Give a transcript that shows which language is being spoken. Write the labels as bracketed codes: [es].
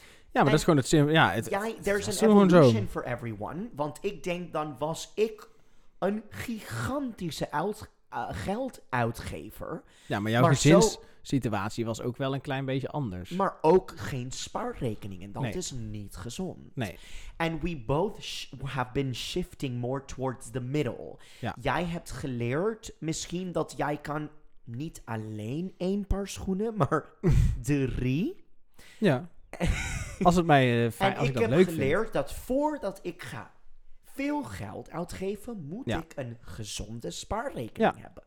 [nl] Ja, maar dat is gewoon het simpel. Ja, [en] there's an evolution for everyone. [nl] Want ik denk, dan was ik een gigantische gelduitgever. Ja, maar jouw gezinssituatie was ook wel een klein beetje anders. Maar ook geen spaarrekeningen. Dat is niet gezond. Nee. [en] And we both have been shifting more towards the middle. [nl] Ja. Jij hebt geleerd misschien dat jij kan niet alleen één paar schoenen, maar 3. Ja. Als het mij fijn, als ik dat leuk vind. En ik heb geleerd dat voordat ik ga veel geld uitgeven, moet ik een gezonde spaarrekening hebben.